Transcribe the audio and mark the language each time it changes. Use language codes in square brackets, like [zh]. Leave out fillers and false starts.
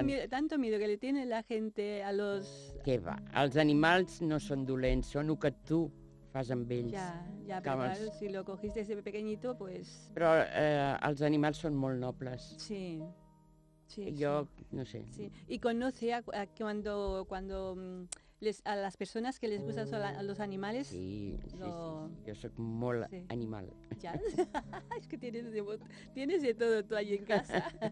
[es] Tanto miedo que le tiene la gente a los... [ca] Que va, els animals no són dolents, són el que tu fas amb ells. Ja, però [es] claro, si lo cogiste desde pequeñito, pues... [ca] Però els animals són molt nobles. Sí, sí. Jo, sí. No sé. Sí. [es] Y conoce a cuando les, a las personas que les gustan a los animales... [ca] Sí, sí. Jo soc molt animal. [es] Ya, es que tienes de todo tú ahí en casa.